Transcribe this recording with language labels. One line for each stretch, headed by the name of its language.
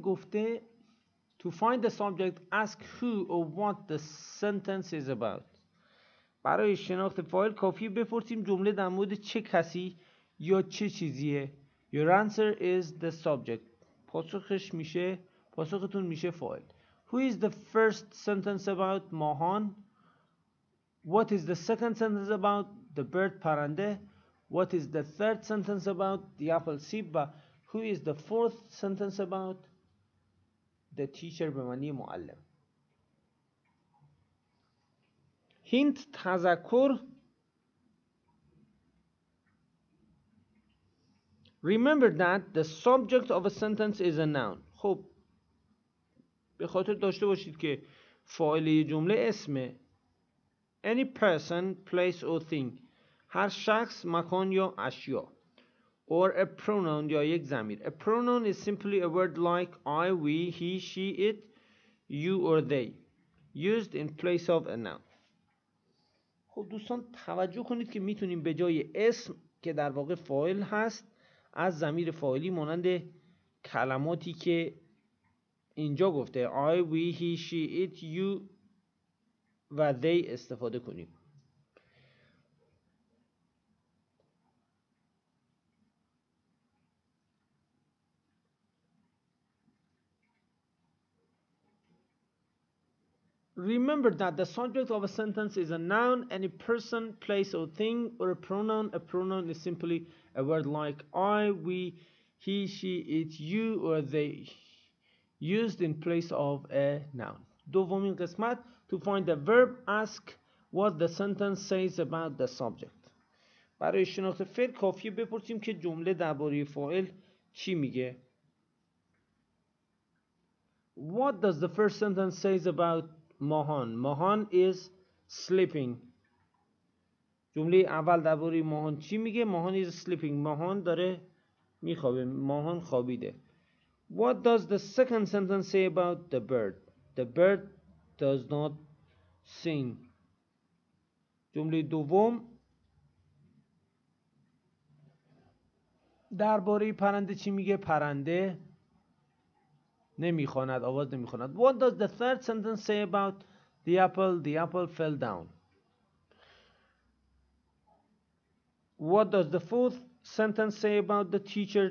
English: گفته To find the subject, ask who or what the sentence is about.
Persian: برای شناخت فاعل کافی بپرسیم جمله در مورد چه کسی یا چه چیزیه.
English: Your answer is the subject.
Persian: پاسخش میشه، پاسختون میشه فاعل.
English: Who is the first sentence about? Mahan. What is the second sentence about? The bird, پرنده. What is the third sentence about? The apple, سیب. Who is the fourth sentence about? The teacher,
Persian: به معنی معلم. هینت، تذکر.
English: Remember that the subject of a sentence is a noun.
Persian: خب به خاطر داشته باشید که فاعل جمله اسمه.
English: Any person, place or thing.
Persian: هر شخص، مکان یا اشیا.
English: Or a pronoun
Persian: یا یک ضمیر.
English: A pronoun is simply a word like I, we, he, she, it, you or they. Used in place of a noun.
Persian: خب دوستان توجه کنید که میتونیم به جای اسم که در واقع فاعل هست از ضمیر فاعلی مانند کلماتی که اینجا گفته I, we, he, she, it, you و they استفاده کنیم.
English: Remember that the subject of a sentence is a noun, any person, place or thing, or a pronoun. A pronoun is simply a word like I, we, he, she, it, you, or they, used in place of a noun.
Persian: دومین قسمت,
English: to find the verb, ask what the sentence says about the subject.
Persian: برای شناخت فعل کافیه بپرسیم که جمله درباره فاعل چی میگه.
English: What does the first sentence says about Mahan? Mahan is sleeping.
Persian: جمله اول درباره ماهان چی میگه؟ ماهان
English: is sleeping.
Persian: ماهان داره میخوابه. ماهان خوابیده.
English: What does the second sentence say about the bird? The bird does not sing.
Persian: جمله دوم درباره پرنده چی میگه؟ پرنده نمیخواند. آواز نمیخواند.
English: What does the third sentence say about the apple? The apple fell down. What does the fourth sentence say about the teacher?